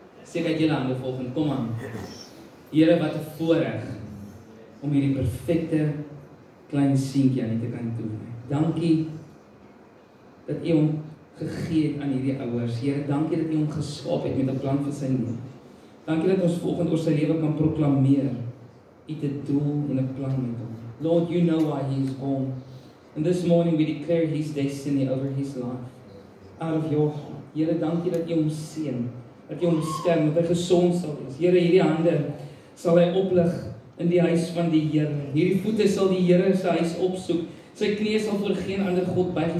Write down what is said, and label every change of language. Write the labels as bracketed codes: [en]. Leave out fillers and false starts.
[af] Here, wat 'n voorreg om hierdie perfekte klein seentjie aan te kan toe. Dankie dat U hom gegee het aan hierdie ouers. Here, dankie dat U hom geskaap het met 'n plan vir sy lewe. Dankie dat ons volgende oor sy lewe kan proklameer. U het 'n doel en 'n plan met hom. [en] Lord, you know why he is born. And this morning we declare his destiny over his life. Out of your heart. [af] Here, dankie dat U hom seën. Dat U hom beskerm, dat hy gesond sal wees. Here, hierdie hande sal hy oplig in die huis van die Here. Hierdie voete sal die Here se huis opsoek. Sy knieë sal voor geen ander god buig.